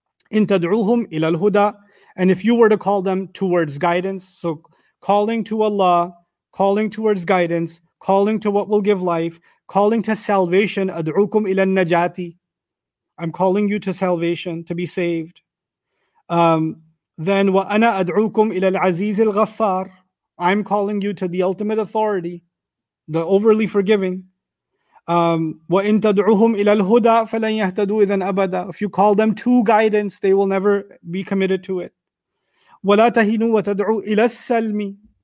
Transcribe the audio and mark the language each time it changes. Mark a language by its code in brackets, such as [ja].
[en] In tad'uhum ila al-huda, and if you were to call them towards guidance, so calling to Allah, calling towards guidance, calling to what will give life, calling to salvation, ad'ukum ila najati. I'm calling you to salvation, to be saved. Then, [ar] وَأَنَا أَدْعُوكُمْ إِلَى الْعَزِيزِ الْغَفَّارِ. [en] I'm calling you to the ultimate authority, the overly forgiving. [ar] وَإِنْ تَدْعُوهُمْ إِلَى الْهُدَى فَلَنْ يَهْتَدُوا إِذًا أَبَدًا. [en] If you call them to guidance, they will never be committed to it. [ar] وَلَا تَهِنُوا وَتَدْعُوا إِلَى السَّلْمِ.